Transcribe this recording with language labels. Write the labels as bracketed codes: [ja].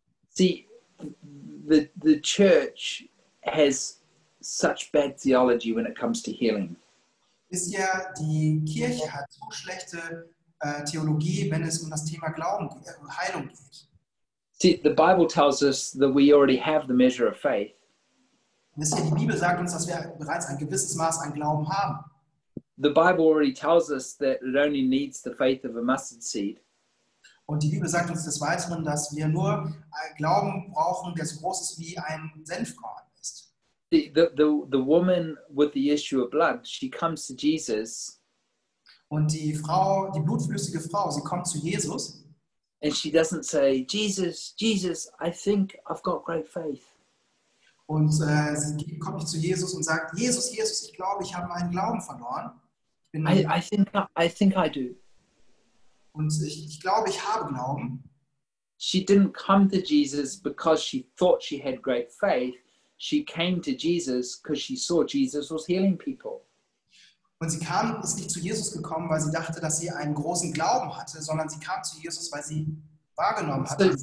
[en] See, the church has such bad theology when it comes to healing. [de] Wisst ihr, die Kirche hat so schlechte Theologie, wenn es um das Thema Glauben und Heilung geht. [en] See, the Bible tells us that we already have the measure of faith. [de] Wisst ihr, die Bibel sagt uns, dass wir bereits ein gewisses Maß an Glauben haben. [en] The Bible already tells us that it only needs the faith of a mustard seed. [de] Und die Bibel sagt uns des Weiteren, dass wir nur Glauben brauchen, der so groß ist wie ein Senfkorn ist. [en] The woman with the issue of blood, she comes to Jesus. [de] Und die Frau, die blutflüssige Frau, sie kommt zu Jesus. [en] And she doesn't say, Jesus, Jesus, I think I've got great faith. [de] Und sie kommt nicht zu Jesus und sagt, Jesus, Jesus, ich glaube, ich habe meinen Glauben verloren. [en] I think I do. [de] Und ich glaube, ich habe Glauben. [en] She didn't come to Jesus because she thought she had great faith. She came to Jesus because she saw Jesus was healing people. [de] Und sie kam, ist nicht zu Jesus gekommen, weil sie dachte, dass sie einen großen Glauben hatte, sondern sie kam zu Jesus, weil sie wahrgenommen hat.